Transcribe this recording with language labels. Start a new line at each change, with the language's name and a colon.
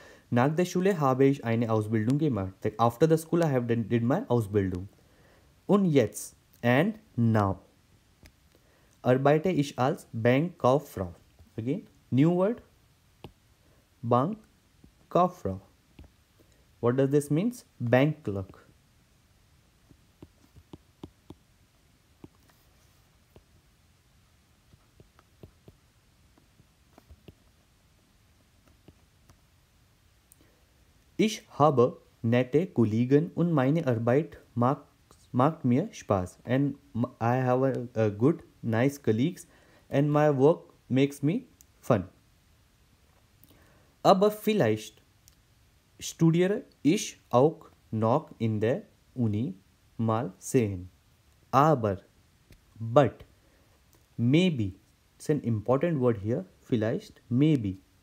German: Nach der Schule habe ich eine Ausbildung gemacht.
English: Like after the school I have did my Ausbildung.
German: Und jetzt
English: and now
German: arbeite ich als Bankkauffrau.
English: Again, new word, Bankkauffrau. What does this means? Bank clerk.
German: Ich habe nette Kollegen und meine Arbeit macht mir Spaß.
English: And I have a good, nice colleagues and my work makes me fun.
German: Aber vielleicht studiere ich auch noch in der Uni mal sehen.
English: Aber, but, maybe, it's an important word here, vielleicht, maybe.